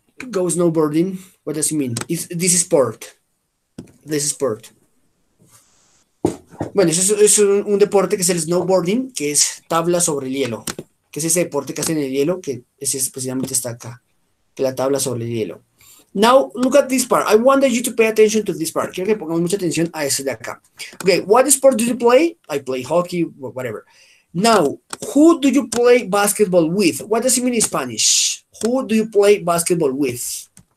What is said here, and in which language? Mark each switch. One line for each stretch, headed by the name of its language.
English: Go snowboarding. What does it mean? This is sport. This is sport.
Spanish: Bueno, eso es un deporte que es el snowboarding, que es tabla sobre el hielo. Que es ese deporte que hacen en el hielo, que es ese, precisamente está acá. Que la tabla sobre el hielo.
English: Now, look at this part. I want you to pay attention to this part.
Spanish: Quiero que pongamos mucha atención a ese de acá.
English: Okay, what sport do you play? I play hockey, whatever. Now, who do you play basketball with? What does it mean in Spanish? Who do you play basketball with?